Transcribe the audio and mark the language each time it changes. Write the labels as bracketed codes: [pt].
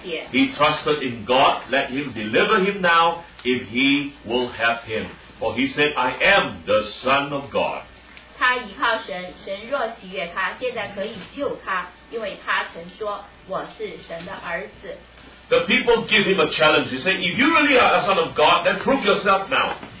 [en] He trusted in God, let him deliver him now if he will have him. For he said, I am the Son of God. [zh] 他依靠神，神若喜悦他，现在可以救他，因为他曾说我是神的儿子。 [en] The people give him a challenge. They say, if you really are a son of God, then prove yourself now.